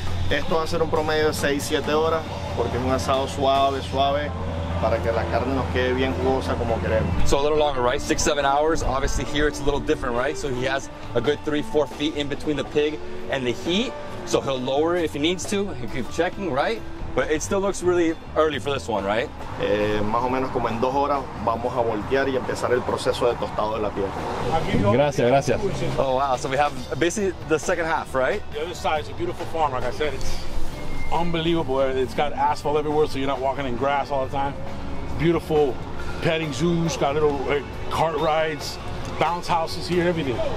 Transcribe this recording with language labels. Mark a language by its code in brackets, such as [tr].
[es] Esto va a ser un promedio de 6-7 horas porque es un asado suave para que la carne nos quede bien jugosa como queremos. [en] So a little longer, right? 6-7 hours. Obviously here it's a little different, right? So he has a good 3-4 feet in between the pig and the heat. So he'll lower it if he needs to. He keep checking, right? But it still looks really early for this one, right? [es] Más o menos como en 2 horas vamos a voltear y empezar el proceso de tostado de la piel. Gracias. [en] Oh wow, so we have basically the second half, right? The other side is a beautiful farm. Like I said, it's unbelievable. It's got asphalt everywhere, so you're not walking in grass all the time. Beautiful petting zoos, got little cart rides, bounce houses here, everything.